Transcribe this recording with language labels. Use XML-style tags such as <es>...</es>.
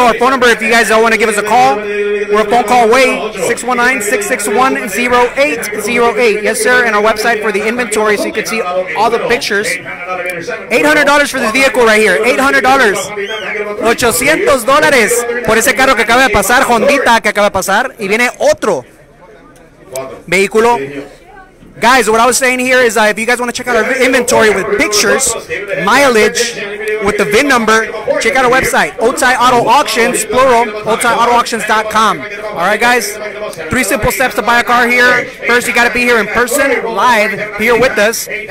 <en>Our phone number, if you guys don't want to give us a call, we're a phone call away, 619-661-0808. Yes, sir, and our website for the inventory, so you can see all the pictures. $800 for this vehicle right here. $800.</en> <es>$800 por ese carro que acaba de pasar, Hondita, que acaba de pasar, y viene otro vehículo.</es> <en>Guys, what I was saying here is that if you guys want to check out our inventory with pictures, mileage, with the VIN number, check out our website, Otay Auto Auctions, plural, otayautoauctions.com. All right, guys, three simple steps to buy a car here. First, you got to be here in person, live, here with us.</en>